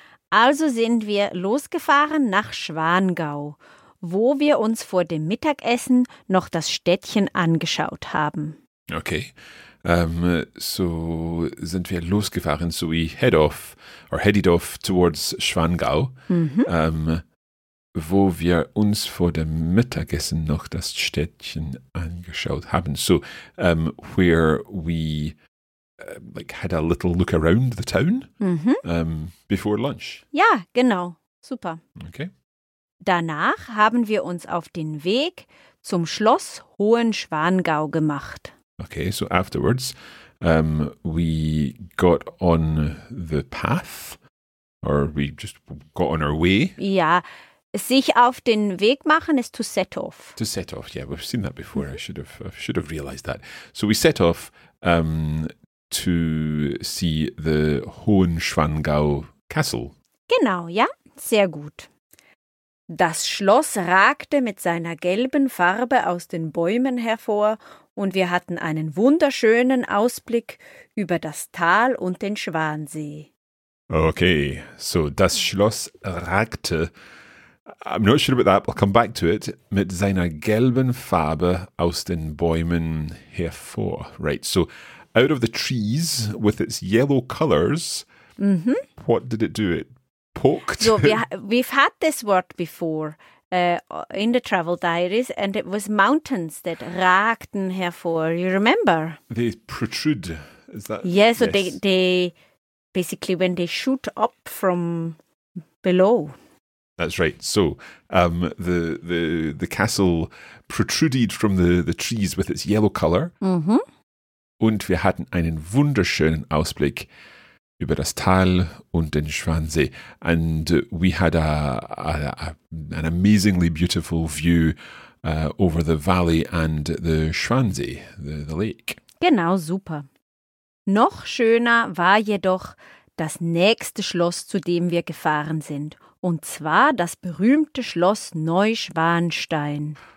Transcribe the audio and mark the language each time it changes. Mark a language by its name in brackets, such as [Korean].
[German] Also sind wir losgefahren nach Schwangau, wo wir uns vor dem Mittagessen noch das Städtchen angeschaut haben. [English] Okay. [German] So sind wir losgefahren, [English] so we head off or headed off towards Schwangau, mm-hmm. [German] Wo wir uns vor dem Mittagessen noch das Städtchen angeschaut haben. [English] So where we had a little look around the town, mm-hmm. Before lunch. [German] Ja, genau. Super. [English] Okay. [German] Danach haben wir uns auf den Weg zum Schloss Hohenschwangau gemacht. [English] Okay, so afterwards, we got on the path, or we just got on our way. [German] Ja, sich auf den Weg machen ist [English] to set off. To set off, yeah, we've seen that before. I should have realized that. So we set off to see the Hohenschwangau Castle. [German] Genau, ja, sehr gut. Das Schloss ragte mit seiner gelben Farbe aus den Bäumen hervor. Und wir hatten einen wunderschönen Ausblick über das Tal und den Schwansee. [English] Okay, so [German] das Schloss ragte, [English] I'm not sure about that, I'll come back to it, [German] mit seiner gelben Farbe aus den Bäumen hervor. [English] Right, so out of the trees with its yellow colors, mm-hmm. What did it do? It poked? So we've had this word before. In the Travel Diaries, and it was mountains that ragten hervor. You remember? They protrude. Is that? Yeah, so yes. They basically when they shoot up from below. That's right. So the castle protruded from the trees with its yellow color. Mm-hmm. [German] Und wir hatten einen wunderschönen Ausblick über das Tal und den Schwansee. [English] And we had an amazingly beautiful view over the valley and the Schwansee, the lake. [German] Genau, super. Noch schöner war jedoch das nächste Schloss, zu dem wir gefahren sind. Und zwar das berühmte Schloss Neuschwanstein.